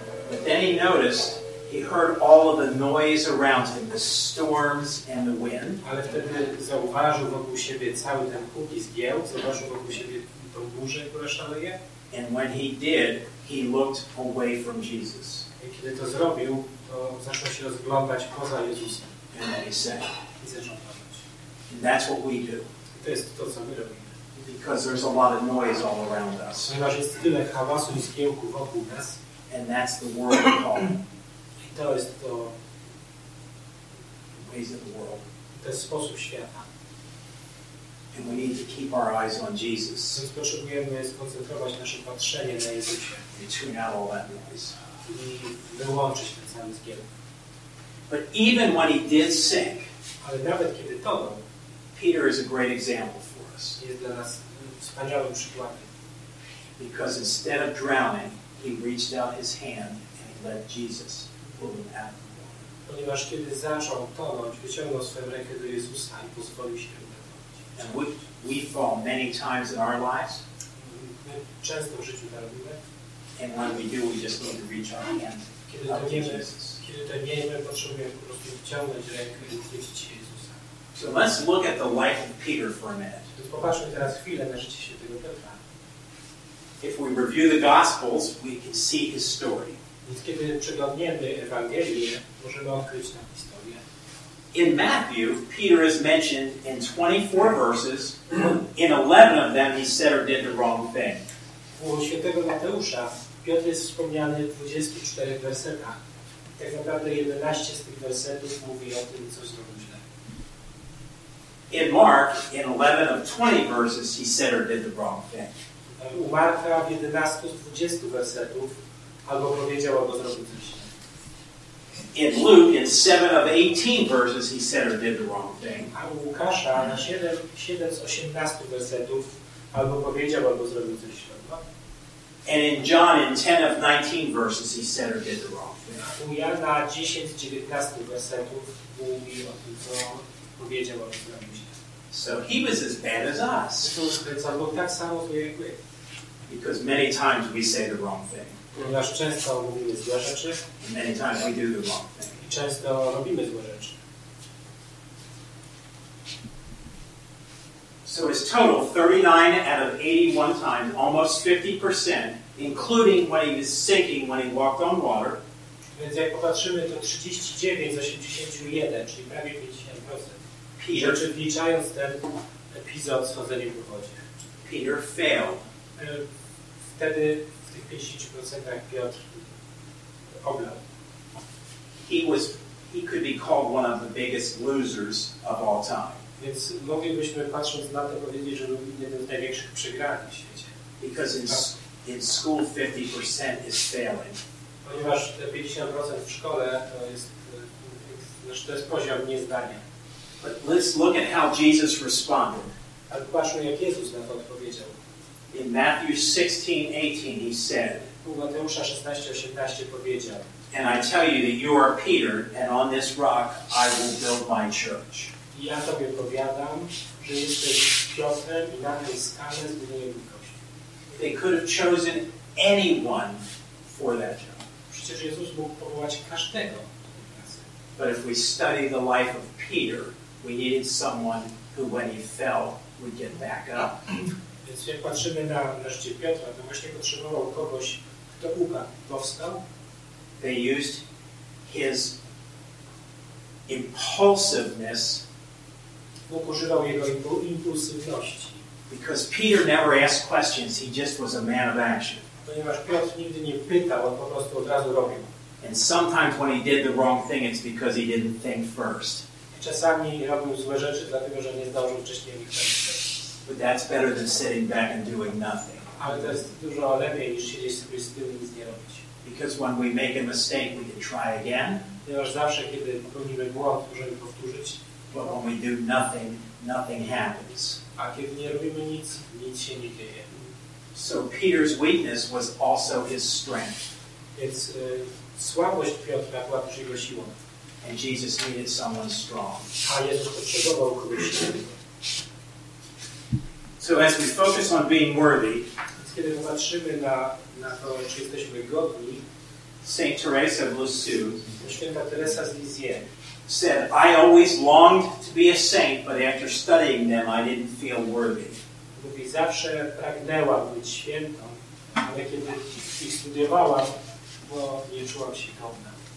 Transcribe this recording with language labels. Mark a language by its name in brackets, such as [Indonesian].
[English] But then he noticed he heard all of the noise around him, the storms and the wind. [Polish] Ale wtedy zauważył wokół siebie cały ten huk i zgiełk, zauważył wokół siebie tą burzę, która szaleje. [English] And when he did, he looked away from Jesus. [Polish] I kiedy to zrobił, to zaczął się rozglądać poza Jezusem. [English] And then he said, [Polish] i zaczął mówić. [English] And that's what we do. [Polish] I to jest to, co my robimy. [English] Because there's a lot of noise all around us. [Polish] Ponieważ jest tyle hałasu i zgiełku wokół nas. [English] And that's the world we call. [Polish] I to jest to [English] ways of the world. [Polish] To jest sposób świata. [English] And we need to keep our eyes on Jesus. [Polish] Więc potrzebujemy skoncentrować nasze patrzenie na Jezusie. [English] And tune out all that noise. [Polish] I wyłączyć ten cały zgiełk. [English] But even when he did sink, [Polish] ale nawet kiedy tonął, [English] Peter is a great example. [Polish] Jest dla nas wspaniałym przykładem. [English] Because instead of drowning, he reached out his hand and let Jesus pull him out. [Polish] Ponieważ kiedy zaczął tonąć, wyciągnął swoją rękę do Jezusa i pozwolił się. [English] And we fall many times in our lives. [Polish] my często w życiu to robimy. [English] And when we do, we just need to reach our hand. [Polish] Kiedy to miejmy, potrzebujemy po prostu wciągnąć rękę i zwiedzić się Jezusa. [English] So let's look at the life of Peter for a minute. [Polish] Więc popatrzmy teraz chwilę na życie świętego Piotra. [English] If we review the Gospels, we can see his story. [Polish] Więc kiedy przeglądniemy Ewangelię, możemy odkryć tę historię. [English] In Matthew, Peter is mentioned in 24 verses. In 11 of them, he said or did the wrong thing. [Polish] U świętego Mateusza, Piotr jest wspomniany w 24 wersetach. Tak naprawdę 11 z tych wersetów mówi o tym, co zrobił źle. [English] In Mark, in 11 of 20 verses, he said or did the wrong thing. [Polish] U Marka w 11 z 20 wersetów albo powiedział, albo zrobił coś źle. [English] In Luke, in 7 of 18 verses, he said or did the wrong thing. [Polish] A u Łukasza na 7 z 18 wersetów albo powiedział, albo zrobił coś źle. [English] And in John, in 10 of 19 verses, he said or did the wrong thing. [Polish] U Jana 10 z 19 wersetów mówił o tym, co powiedział, albo zrobił źle. [English] So he was as bad as us. [Polish] Więc on był tak samo zły jak my. [English] Because many times we say the wrong thing. [Polish] Ponieważ często mówimy złe rzeczy. [English] And many times we do the wrong thing. [Polish] I często robimy złe rzeczy. [English] So his total, 39 out of 81 times, almost 50%, including when he was sinking, when he walked on water. [Polish] Więc jak popatrzymy, to 39 z 81, czyli prawie 50%. [English] Peter, [Polish] rzeczy, wliczając ten epizod schodzeniem po wodzie. [English] Peter failed. [Polish] Wtedy w tych 50% Piotr oblał. [English] He could be called one of the biggest losers of all time. [Polish] Więc moglibyśmy, patrząc na to, powiedzieć, że był jeden z największych przegranych w świecie. [English] Because in school 50% is failing. [Polish] Ponieważ 50% w szkole to jest, znaczy to jest poziom niezdania. [English] But let's look at how Jesus responded. [Polish] Ale patrzmy, jak Jezus na to odpowiedział. [English] In Matthew 16:18 he said, [Polish] u Mateusza 16:18 powiedział, [English] and I tell you that you are Peter, and on this rock I will build my church. [Polish] I ja tobie powiadam, że jesteś Piotrem i na tej skale zbuduję mi kościół. [English] They could have chosen anyone for that job. [Polish] Przecież Jezus mógł powołać każdego. [English] But if we study the life of Peter, we needed someone who, when he fell, would get back up. [Polish] Więc jak patrzymy na życie Piotra, to właśnie potrzebował kogoś, kto upadł, powstał. [English] They used his impulsiveness. [Polish] Bóg używał jego impulsywności. [English] Because Peter never asked questions, he just was a man of action. [Polish] Ponieważ Piotr nigdy nie pytał, on po prostu od razu robił. [English] And sometimes when he did the wrong thing, it's because he didn't think first. [Polish] Czasami robił złe rzeczy, dlatego że nie zdążył wcześniej myśleć. [English] But that's better than sitting back and doing nothing. [Polish] Ale to jest dużo lepiej niż siedzieć sobie z tyłu i nic nie robić. [English] Because when we make a mistake, we can try again. [Polish] Ponieważ zawsze, kiedy popełnimy błąd, możemy powtórzyć. [English] But when we do nothing, nothing happens. [Polish] A kiedy nie robimy nic, nic się nie dzieje. [English] So Peter's weakness was also his strength. [Polish] Więc słabość Piotra była też jego siłą. [English] And Jesus needed someone strong. [Polish] A Jezus potrzebował kogoś silnego. [English] So as we focus on being worthy, [Polish] więc kiedy popatrzymy na to, czy jesteśmy godni, [English] Saint Teresa of Lisieux, [Polish] Święta Teresa z Lisieux, [English] said, I always longed to be a saint, but after studying them, I didn't feel worthy. [Polish] Mówi, zawsze pragnęła być świętą, ale kiedy ich studiowała, bo nie czułam się godna.